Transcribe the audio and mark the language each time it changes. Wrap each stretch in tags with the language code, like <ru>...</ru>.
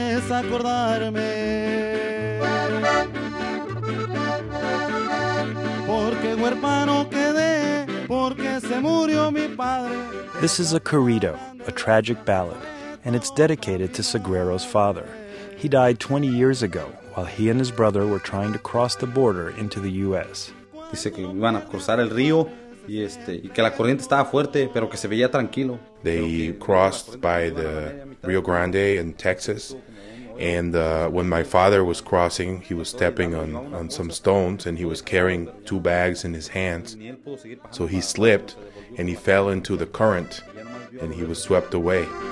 <es>Acordarme porque huérfano quedé porque se murió mi padre.</es> <en>This is a corrido, a tragic ballad, and it's dedicated to Sagrero's father. He died 20 years ago while he and his brother were trying to cross the border into the U.S.</en> <es>Dice que iban a cruzar el río y que la corriente estaba fuerte pero que se veía tranquilo.</es> <en>They crossed by the Rio Grande in Texas. And when my father was crossing, he was stepping on some stones, and he was carrying two bags in his hands. So he slipped, and he fell into the current, and he was swept away.</en>